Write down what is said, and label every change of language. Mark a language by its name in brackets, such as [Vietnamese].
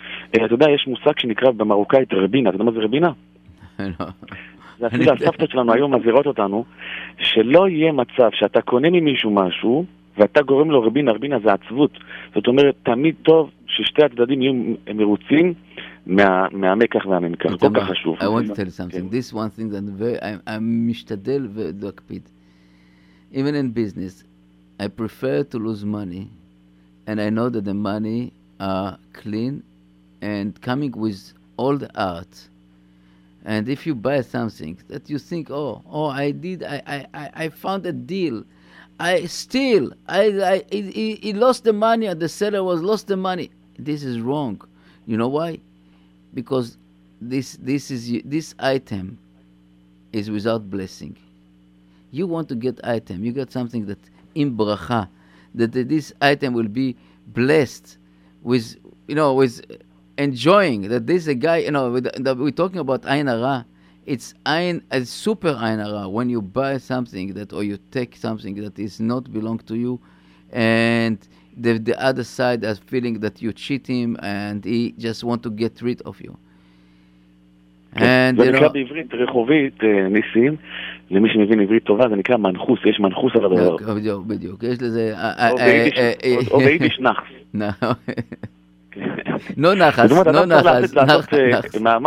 [Hebrew] אתה יודע, יש מושג שנקרא במרוקאית רבינה, אתה יודע מה זה רבינה? זה אפילו הסבתא שלנו היום מזהירות אותנו, שלא יהיה מצב שאתה קונה ממישהו משהו, ואתה גורם לו רבינה, רבינה זה עצבות. זאת אומרת, תמיד טוב ששתי הצדדים יהיו מרוצים מהמקח והממכר, כל כך חשוב. [English] I want to tell you something. This one thing that I'm [Hebrew] משתדל ולהקפיד. [English] Even in business, I prefer to lose money, and I know that the money are clean and coming with all the art. And if you buy something that you think, oh, I found a deal, he lost the money, and the seller was lost the money. This is wrong. You know why? Because this item is without blessing. You want to get item. You got something that in bracha, that this item will be blessed with, you know, with enjoying that this is a guy, you know, we're talking about ayin hara. It's ayin, a super ayin hara when you buy something that, or you take something that is not belong to you, and the other side has feeling that you cheat him and he just want to get rid of you. [Hebrew] זה נקרא בעברית רחובית, ניסים, למי שמבין עברית טובה, זה נקרא מנחוס, יש מנחוס על הדבר. בדיוק, יש לזה... או ביידיש נחס. לא נחס, לא נחס.